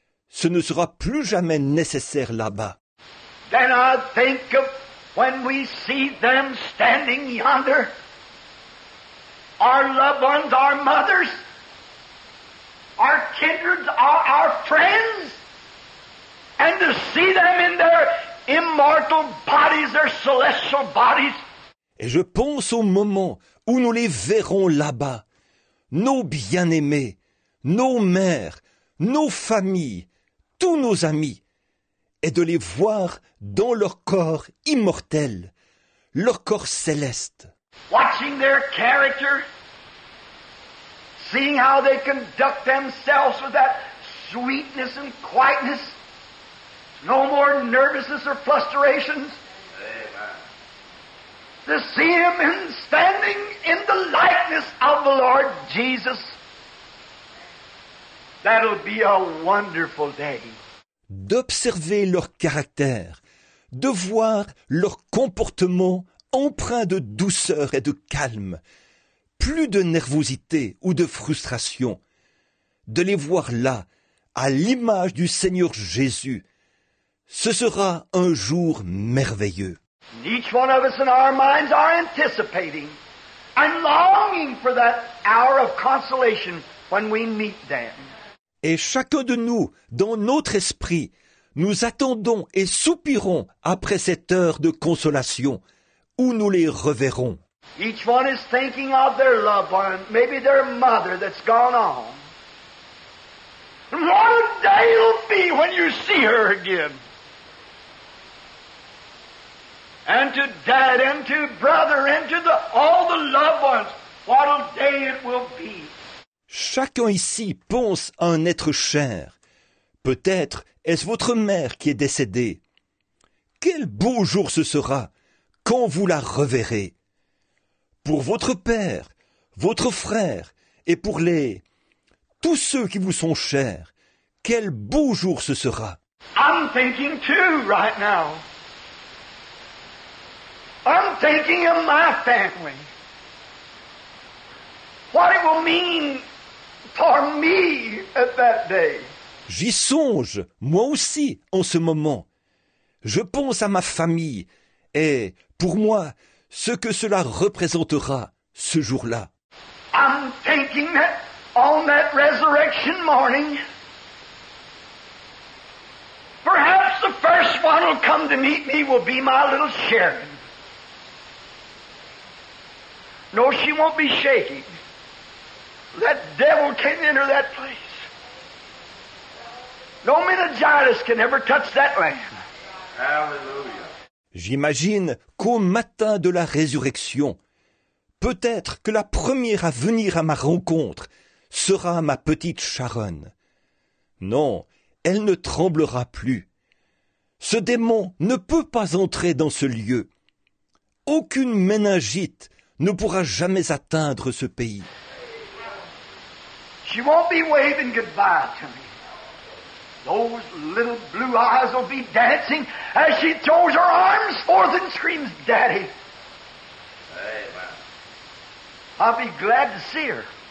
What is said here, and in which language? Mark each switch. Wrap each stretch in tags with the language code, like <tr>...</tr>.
<fr>Ce ne sera plus jamais nécessaire là-bas.</fr> <en>Then I think of when we see them standing yonder, our loved ones, our mothers, our kindreds, our friends, and to see them in their immortal bodies, their celestial bodies.</en> <fr>Et je pense au moment où nous les verrons là-bas, nos bien-aimés, nos mères, nos familles, tous nos amis, et de les voir dans leur corps immortel, leur corps céleste.</fr> <en>Watching their character, seeing how they conduct themselves with that sweetness and quietness, no more nervousness or frustrations. To see him in standing in the likeness of the Lord Jesus, that'll be a wonderful day.</en> <fr>D'observer leur caractère, de voir leur comportement empreint de douceur et de calme, plus de nervosité ou de frustration, de les voir là, à l'image du Seigneur Jésus, ce sera un jour merveilleux.</fr> <en>Each one of us in our minds are anticipating and longing for that hour of consolation when we meet them.</en> <fr>Et chacun de nous, dans notre esprit, nous attendons et soupirons après cette heure de consolation où nous les reverrons.</fr> <en>Each one is thinking of their loved one, maybe their mother that's gone on. What a day it'll be when you see her again. And to dad and to brother and to all the loved ones, what a day it will be.</en> <fr>Chacun ici pense à un être cher. Peut-être est-ce votre mère qui est décédée. Quel beau jour ce sera quand vous la reverrez. Pour votre père, votre frère et pour les... tous ceux qui vous sont chers, quel beau jour ce sera.</fr> <en>I'm thinking too right now. I'm thinking of my family. What it will mean... for me at that day.</en> <fr>J'y songe, moi aussi, en ce moment. Je pense à ma famille et, pour moi, ce que cela représentera ce jour-là.</fr> <en>I'm thinking that on that resurrection morning, perhaps the first one who'll come to meet me will be my little Sharon. No, she won't be shaking. That devil can't enter that place. No meningitis can ever touch that land. Hallelujah.</en> <fr>J'imagine qu'au matin de la résurrection, peut-être que la première à venir à ma rencontre sera ma petite Sharon. Non, elle ne tremblera plus. Ce démon ne peut pas entrer dans ce lieu. Aucune méningite ne pourra jamais atteindre ce pays.</fr> <en>She won't be waving goodbye to me. Those little blue eyes will be dancing as she throws her arms forth and screams, Daddy. Hey, man. I'll be glad to see her.</en>